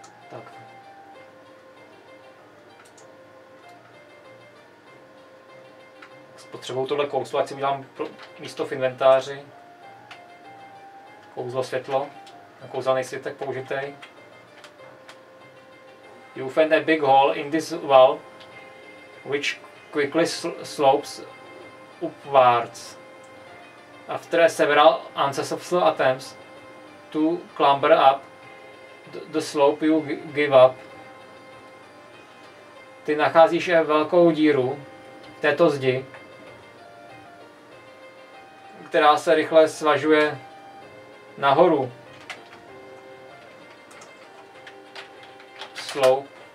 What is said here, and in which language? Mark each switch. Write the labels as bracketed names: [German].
[Czech] Tak. Spotřebuju tohle kouzlo, ať si udělám místo v inventáři. Kouzlo světlo, na kouzelný svitek použitej. [English] You find a big hole in this wall, which quickly slopes upwards. After several unsuccessful attempts to clamber up the slope, you give up. [Czech] Ty nacházíš velkou díru v této zdi, která se rychle svažuje nahoru. [English] Slope.